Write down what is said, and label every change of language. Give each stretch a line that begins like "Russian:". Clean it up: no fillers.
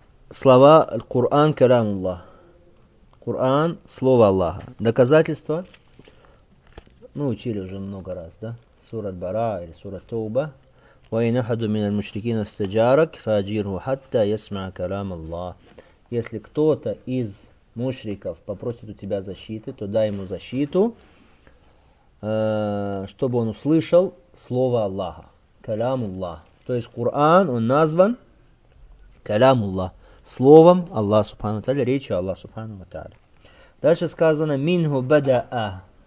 Russian: Слова Аль-Куран Калямуллах. Куран, слово Аллаха. Доказательства. Мы учили уже много раз, да? Сура Бара или Сура Тауба.
Arabic: وإن أحد من المشركين استجارك فأجره حتى يسمع كلام الله.
Russian: Если кто-то из мушриков попросит у тебя защиты, то дай ему защиту, чтобы он услышал слово Аллаха. Калям Аллах. То есть Коран, он назван Калям Аллах. Словом Аллаха Субхану Тааля, речью Аллаха Субхану Тааля. Дальше сказано, минху бадаа.